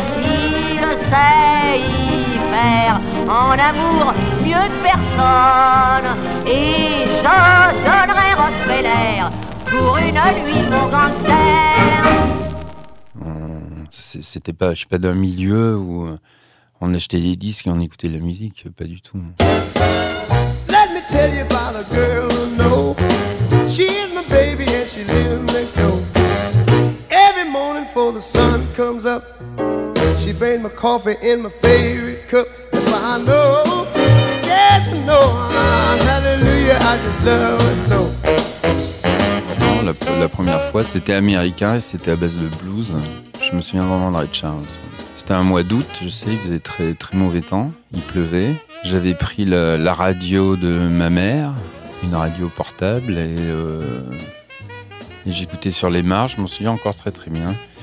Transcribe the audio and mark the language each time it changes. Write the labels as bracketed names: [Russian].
[French] Il sait y faire en amour mieux que personne. Et je donnerai Rockefeller pour une nuit, mon cancer. C'était pas, je suis pas d'un milieu où on achetait des disques et on écoutait la musique, pas du tout. [English] Let me tell you about a girl I know. She's my baby and she lives next door. Every morning before the sun comes up, she brings my coffee in my favorite cup. That's why I know, yes I know, hallelujah, I just love her so. [French] La première fois, c'était américain et c'était à base de blues. Je me souviens vraiment de Ray Charles. C'était un mois d'août, je sais, il faisait très, très mauvais temps. Il pleuvait. J'avais pris la radio de ma mère, une radio portable, et j'écoutais sur les marches. Je m'en souviens encore très, très bien.